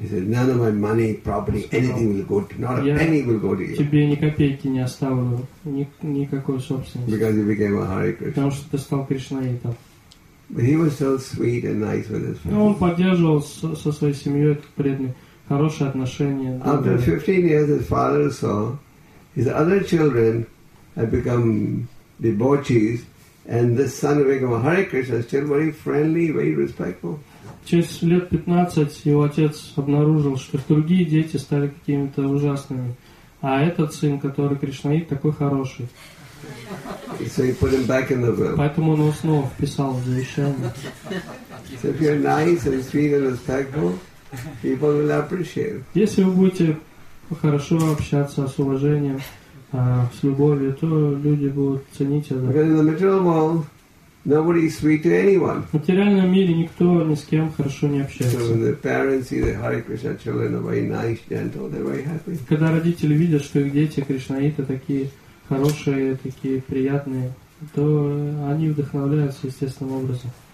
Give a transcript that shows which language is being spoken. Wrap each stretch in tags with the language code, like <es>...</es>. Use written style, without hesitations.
<en>He said, "None of my money, property, anything will go to you. Not a penny will go to you."</en> <ru>Тебе ни копейки не оставлю, никакой собственности.</ru> <en>Because he became a Hare Krishna.</en> <ru>Потому что ты стал Кришнаитом.</ru> <en>But he was so sweet and nice with his family.</en> <ru>Но он поддерживал со своей семьей этот преданный хорошие отношения.</ru> <en>After 15 years, his father saw his other children had become debauchees. And this son of Vigama, Hare Krishna, is still very friendly, very respectful.</en> <ru>Через лет 15 его отец обнаружил, что другие дети стали какими-то ужасными. А этот сын, который Кришнаит, такой хороший.</ru> <en>So he put him back in the will.</en> <ru>Поэтому он его снова вписал в завещание.</ru> <en>So if you're nice and sweet and respectful, people will appreciate.</en> <ru>Если вы будете хорошо общаться с уважением, с любовью, то люди будут ценить это.</ru> <en>Because in the material world, nobody is sweet to anyone.</en> <ru>В материальном мире никто ни с кем хорошо не общается.</ru> <en>So when the parents see the Hare Krishna children are very nice, gentle, they're very happy.</en> <ru>Когда родители видят, что их дети кришнаиты такие хорошие, такие приятные, то они вдохновляются естественным образом.</ru>